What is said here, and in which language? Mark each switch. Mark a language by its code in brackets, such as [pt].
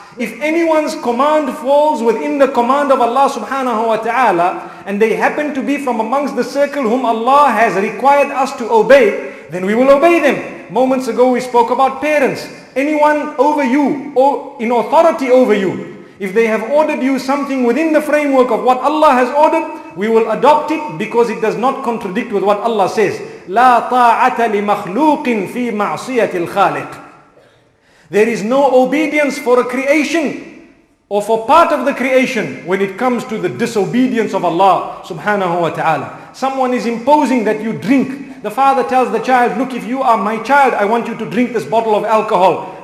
[en] If anyone's command falls within the command of Allah subhanahu wa ta'ala, and they happen to be from amongst the circle whom Allah has required us to obey, then we will obey them. Moments ago we spoke about parents. Anyone over you, or in authority over you, if they have ordered you something within the framework of what Allah has ordered, we will adopt it, because it does not contradict with what Allah says. [ar] لا طاعة لمخلوق في معصية الخالق. [en] There is no obedience for a creation or for part of the creation when it comes to the disobedience of Allah subhanahu wa ta'ala. Someone is imposing that you drink. The father tells the child, look, if you are my child, I want you to drink this bottle of alcohol.